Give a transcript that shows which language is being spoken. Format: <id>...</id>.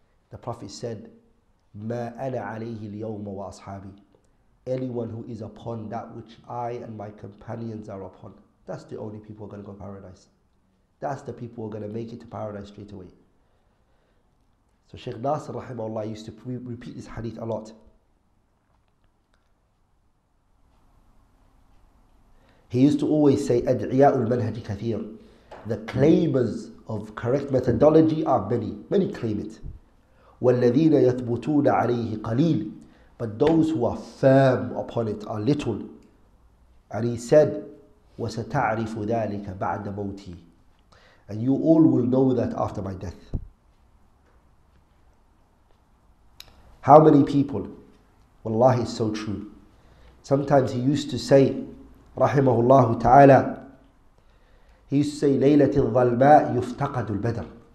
<en>The Prophet said,</en> <ar>مَا أَنَا عَلَيْهِ الْيَوْمَ وَأَصْحَابِي.</ar> <en>Anyone who is upon that which I and my companions are upon, that's the only people who are going to go to paradise. That's the people who are going to make it to paradise straight away. So Shaykh Nasir rahimahullah used to repeat this hadith a lot. He used to always say,</en> <ar>أَدْعِيَاءُ الْمَنْهَجِ كَثِيرٌ.</ar> <en>The claimers of correct methodology are many. Many claim it.</en> <ar>وَالَّذِينَ يَثْبُتُونَ عَلَيْهِ قَلِيلٌ.</ar> <en>But those who are firm upon it are little. And he said,</en> <ar>وَسَتَعْرِفُ ذَلِكَ بَعْدَ مَوْتِي.</ar> <en>And you all will know that after my death. How many people? Wallahi, it's so true. Sometimes he used to say, رحمه ta'ala, he used to say,</en> <ar>ليلة الظلماء يفتقد البدر.</ar>